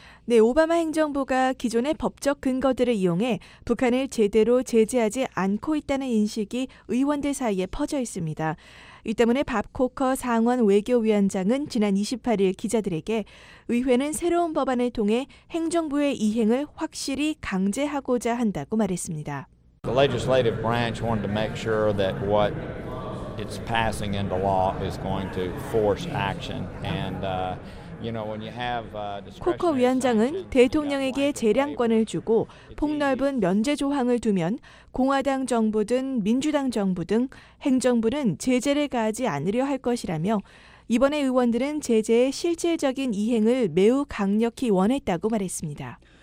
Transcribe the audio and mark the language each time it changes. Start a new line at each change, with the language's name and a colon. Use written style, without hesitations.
Korean: 네, 오바마 행정부가 기존의 법적 근거들을 이용해 북한을 제대로 제재하지 않고 있다는 인식이 의원들 사이에 퍼져 있습니다. 이 때문에 밥 코커 상원 외교위원장은 지난 28일 기자들에게 의회는 새로운 법안을 통해 행정부의 이행을 확실히 강제하고자 한다고 말했습니다.
English: The legislative branch wanted to make sure that what it's passing into law is going to force action. And you know, when you have
Korean: 코커 위원장은 대통령에게 재량권을 주고 폭넓은 면제 조항을 두면 공화당 정부든 민주당 정부 등 행정부는 제재를 가하지 않으려 할 것이라며 이번에 의원들은 제재의 실질적인 이행을 매우 강력히 원했다고 말했습니다.